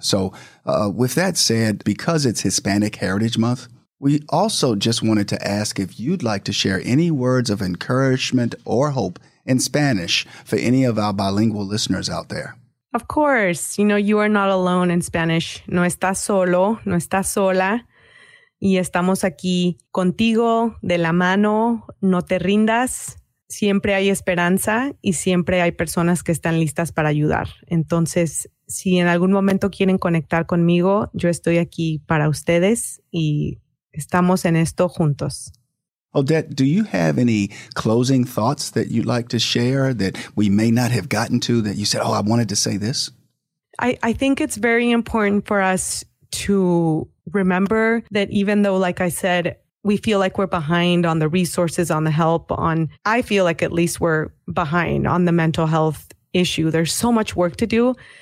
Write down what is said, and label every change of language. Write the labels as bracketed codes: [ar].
[en] So with that said, because it's Hispanic Heritage Month, we also just wanted to ask if you'd like to share any words of encouragement or hope in Spanish for any of our bilingual listeners out there. Of course. You know, you are not alone in Spanish. [es] No estás solo, no estás sola. Y estamos aquí contigo, de la mano. No te rindas. Siempre hay esperanza y siempre hay personas que están listas para ayudar. Entonces, si en algún momento quieren conectar conmigo, yo estoy aquí para ustedes y estamos en esto juntos. [en] Odette, do you have any closing thoughts that you'd like to share that we may not have gotten to that you said, oh, I wanted to say this? I think it's very important for us to remember that even though, like I said, we feel like we're behind on the resources, on the help, on, I feel like at least we're behind on the mental health issue. There's so much work to do,